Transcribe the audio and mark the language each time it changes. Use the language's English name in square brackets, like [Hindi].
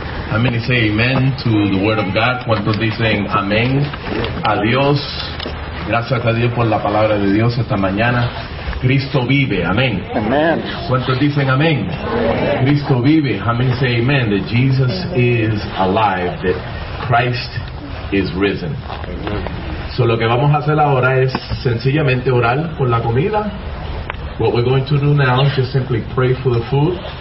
[English] How many say amen to the word of God? [Spanish] ¿Cuántos dicen amén? A Dios. Gracias a Dios por la palabra de Dios esta mañana. Cristo vive. Amén. [English] Amen. [Spanish] ¿Cuántos dicen amén? Cristo vive. [English] How many say amen? That Jesus is alive. That Christ is risen. [Spanish] So lo que vamos a hacer ahora es sencillamente orar por la comida. [English] What we're going to do now is just simply pray for the food.